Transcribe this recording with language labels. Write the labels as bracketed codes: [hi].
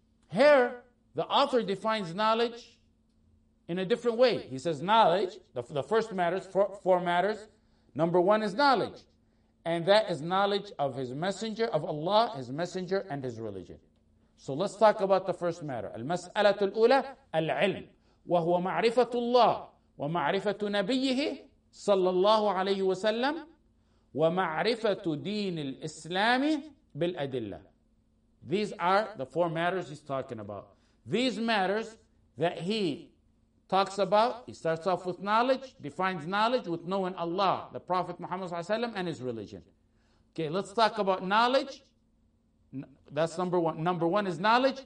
[en] Here, the author defines knowledge in a different way. He says knowledge, the first matters, four matters. Number one is knowledge. And that is knowledge of his messenger, of Allah, his messenger, and his religion. So let's talk about the first matter. [ar] المسألة الأولى العلم وهو معرفة الله ومعرفة نبيه صلى الله عليه وسلم ومعرفة دين الإسلام بالأدلة. [en] These are the four matters he's talking about. These matters that he talks about, he starts off with knowledge, defines knowledge with knowing Allah, the Prophet Muhammad [ar] صلى الله عليه وسلم, [en] and his religion. Okay, let's talk about knowledge. That's number one. Number one is knowledge.